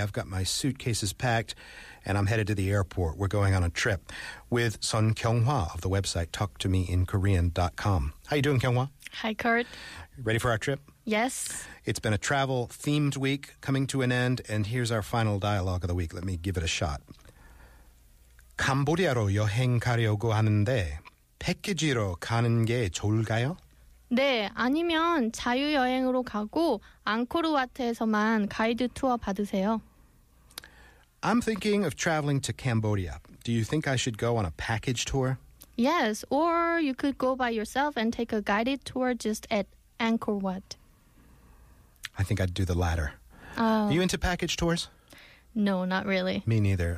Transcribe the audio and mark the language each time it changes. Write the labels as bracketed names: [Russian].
[English] I've got my suitcases packed and I'm headed to the airport. We're going on a trip with Son Kyung-hwa of the website talktomeinkorean.com. How you doing, Kyung-hwa? Hi, Kurt. Ready for our trip? Yes. It's been a travel-themed week coming to an end, and here's our final dialogue of the week. Let me give it a shot. [Korean] 캄보디아로 여행 가려고 하는데 패키지로 가는 게 좋을까요? 네, 아니면 자유여행으로 가고 앙코르와트에서만 가이드 투어 받으세요. [English] I'm thinking of traveling to Cambodia. Do you think I should go on a package tour? Yes, or you could go by yourself and take a guided tour just at Angkor Wat. I think I'd do the latter. Are you into package tours? No, not really. Me neither.